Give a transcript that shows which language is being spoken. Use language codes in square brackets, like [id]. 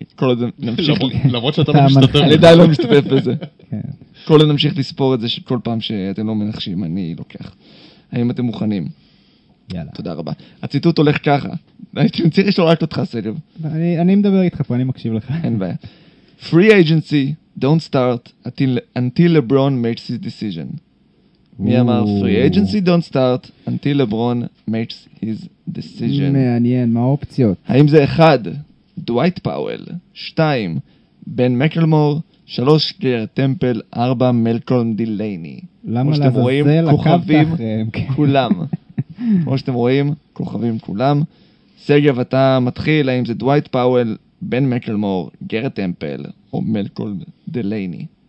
[he] כל עוד נמשיך... למרות שאתה לא משתתף. אני די לא משתתף בזה. כל עוד נמשיך לספור את זה שכל פעם שאתם לא מנחשים, אני לוקח. האם אתם מוכנים? יאללה. תודה רבה. הציטוט הולך ככה. הייתי מצליח לשאול רק אותך, סגב. אני מדבר איתך פה, אני מקשיב לך. אין בעיה. [en] Free agency, don't start until LeBron makes his decision. [he] מי אמר, [en] free agency don't start until LeBron makes his decision. [he] מעניין, מה האופציות? האם זה 1, דווייט פאוול, 2, בן מקלמור, 3, גרארד טמפל, 4, מלקולם דילייני. למה לעזאזל כוכבים כוכבים כולם. כמו שאתם רואים, כוכבים כולם. סגב, אתה מתחיל, האם זה דווייט פאוול, בן מקלמור, גרארד טמפל, או מלקולם דילייני?